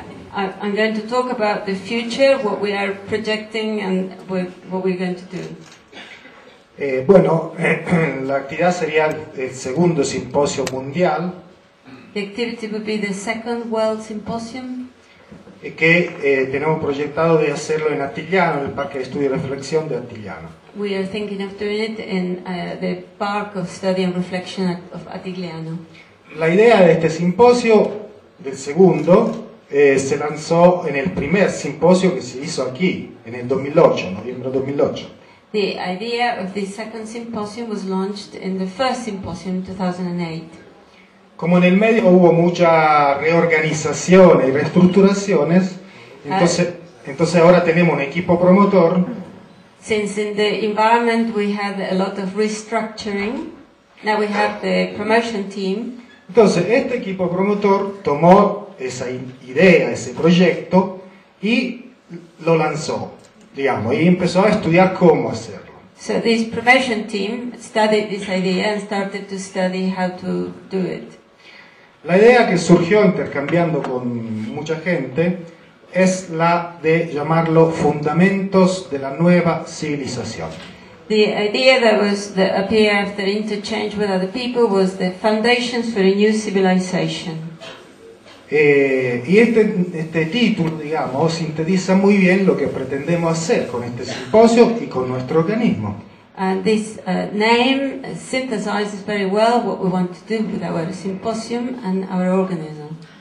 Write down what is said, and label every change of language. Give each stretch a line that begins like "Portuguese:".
English: I'm going to talk about the future, what we are projecting and what we're going to do.
Spanish: La actividad sería el segundo simposio mundial.
English: The activity would be the second world symposium.
Spanish: que tenemos proyectado de hacerlo en Attigliano, en el Parque de Estudio y Reflexión de Attigliano.
English: We are thinking of doing it in the Park of Study and Reflection of Attigliano.
Spanish: La idea de este simposio, del segundo, se lanzó en el primer simposio que se hizo aquí, en el 2008, noviembre 2008.
English: The idea of the second symposium was launched in the first symposium in 2008.
Spanish: Como en el medio hubo mucha reorganización y reestructuraciones, entonces ahora tenemos un equipo promotor.
English: Since in the environment we had a lot of restructuring, now we have the promotion team.
Spanish: Entonces este equipo promotor tomó esa idea, ese proyecto y lo lanzó. Digamos, y empezó a estudiar cómo hacerlo.
English: So this promotion team studied this idea and started to study how to do it.
Spanish: La idea que surgió intercambiando con mucha gente es la de llamarlo Fundamentos de la Nueva Civilización.
English: The idea that was that appeared after interchange with other people was the Foundations for a New Civilization.
Spanish: Y este título, digamos, sintetiza muy bien lo que pretendemos hacer con este simposio y con nuestro organismo.
English: And this name synthesizes very well what we want to do with our symposium and our organism.